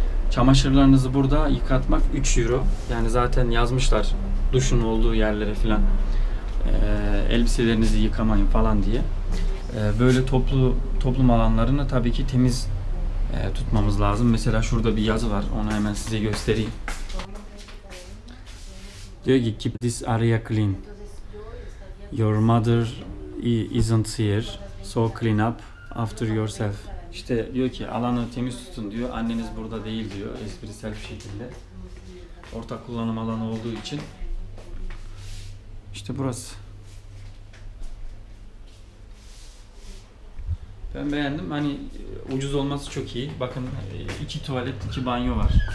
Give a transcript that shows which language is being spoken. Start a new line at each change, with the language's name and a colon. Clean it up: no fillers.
Turkish: Çamaşırlarınızı burada yıkatmak 3 euro. Yani zaten yazmışlar duşun olduğu yerlere filan. Elbiselerinizi yıkamayın falan diye. Böyle toplum alanlarını tabii ki temiz tutmamız lazım. Mesela şurada bir yazı var. Onu hemen size göstereyim. Diyor ki,
English: keep this area clean. Your mother isn't here, so clean up after yourself.
Turkish: İşte diyor ki, alanı temiz tutun diyor. Anneniz burada değil diyor, esprisel bir şekilde. Ortak kullanım alanı olduğu için. İşte burası. Ben beğendim. Hani ucuz olması çok iyi. Bakın, iki tuvalet, iki banyo var.